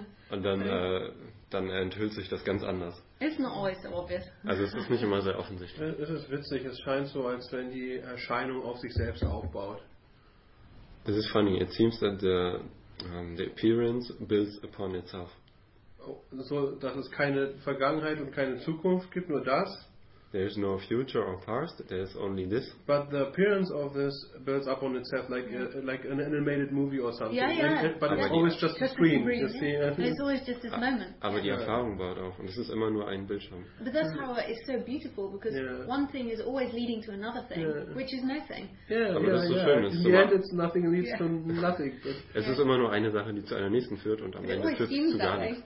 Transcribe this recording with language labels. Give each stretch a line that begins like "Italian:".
German: Und dann dann enthüllt sich das ganz anders.
English: It's not always so obvious.
German: Also es ist nicht immer sehr offensichtlich. Es ist witzig. Es scheint so, als wenn die Erscheinung auf sich selbst aufbaut.
English: This is funny. It seems that the appearance builds upon itself.
German: So, dass es keine Vergangenheit und keine Zukunft gibt, nur das.
English: There is no future or past, there is only this. But the appearance of this builds up on itself like an animated movie or something. Yeah, yeah. But it's always just a screen. It's always just this moment.
German: Aber die Erfahrung baut auf und es ist immer nur ein Bildschirm.
English: But that's how it's so beautiful because one thing is always leading to another thing, which is nothing. Yeah. In the end it's nothing leads to nothing.
German: Es ist immer nur eine Sache, die zu einer nächsten führt und am Ende führt es zu gar nichts.